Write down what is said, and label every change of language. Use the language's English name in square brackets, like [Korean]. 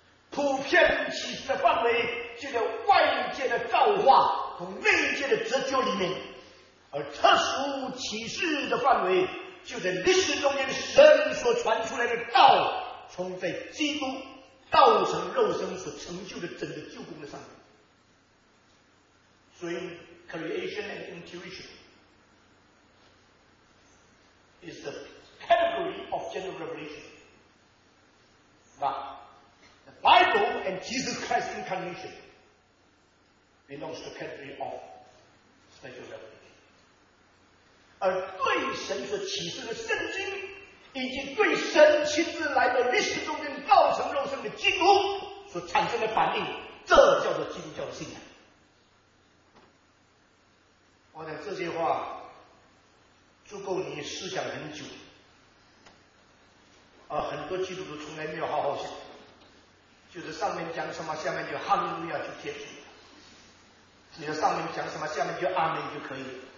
[Chinese] 普遍启示的范围就在外界的造化从内界的折旧里面，而特殊启示的范围就在历史中间神所传出来的道，从在基督道成肉身所成就的整个救工的上面。 [English] 所以 Creation and Intuition is the category of general revelation, but the Bible and Jesus Christ incarnationbelongs to the category of special revelation. [Chinese] 而对神所启示的圣经，以及对神亲自来的历史中间道成肉身的基督所产生的反应，这叫做基督教的信仰。我讲这些话足够你思想很久，而很多基督徒从来没有好好想，就是上面讲什么下面就哈利路亚去接触，只要上面讲什么下面就阿门就可以了。